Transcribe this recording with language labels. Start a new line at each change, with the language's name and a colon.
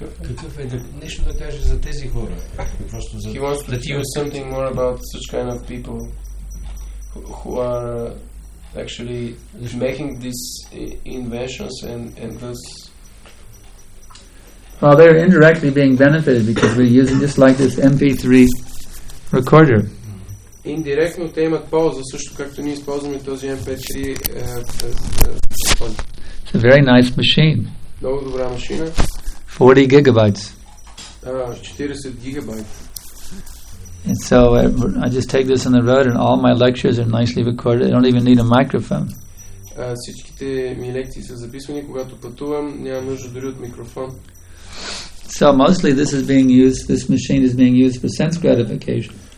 Bulgarian: какъв е, нещо да каже за тези хора, просто за,
English: he wants to hear something more about such kind of people who are actually making these inventions and thus... Well, they're indirectly being benefited because we're using just like this MP3 recorder. Indirectly, they have
Bulgarian: полза, също както ние използваме този MP3
English: It's a very nice machine.
Bulgarian: Много добра машина.
English: 40 gigabytes. 40 gigabytes. And so I just take this on the road and all my lectures are nicely recorded. I don't even need a microphone.
Bulgarian: Всичките ми лекции са записвани, когато пътувам, няма нужда дори от микрофон.
English: So mostly this is being used, this machine is being used for sense gratification.